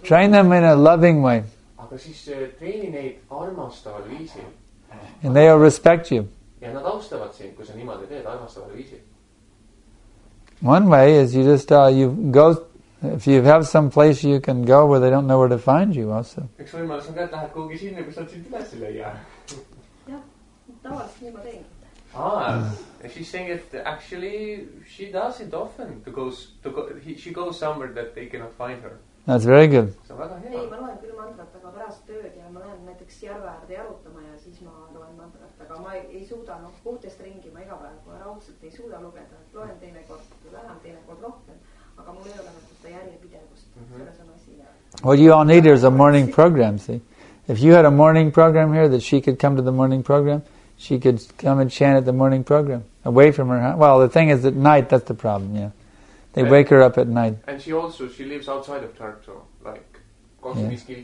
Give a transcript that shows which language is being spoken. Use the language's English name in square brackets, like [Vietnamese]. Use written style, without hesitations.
[English] Train them in a loving way. [Estonian] Aga siis treeni neid armastaval viisil. [English] And they will respect you. [Estonian] Ja nad austavad sind, kui sa niimoodi teed armastaval viisil. [English] One way is you just you go if you have some place you can go where they don't know where to find you also. [Estonian] Üks võimalus on ka, et lähed kuhugi sinna, kus saad sind üles leia. Jah, tavaliselt nii ma teen. [English] Ah, she's saying that actually she does it often to goes to go, she goes somewhere that they cannot find her. That's very good. [Estonian] So väga hea. Ei, ma loen küll mantrat, aga pärast tööd ja ma lähen näiteks järve äärde jalutama ja siis ma loen mantrat, aga ma ei suuda puhtest ringi, ma igapäeval kohe raudselt ei suuda lugeda, et loen teine kord, lähen teine kord rohkem, aga mul ei ole nähtust järjepidevust, selles on asi. [English] What you all need is a morning program, see? If you had a morning program here that she could come to the morning program, she could come and chant at the morning program away from her. Well, the thing is, at night, that's the problem, yeah. They wake her up at night. And she lives outside of Tartu, like, yeah.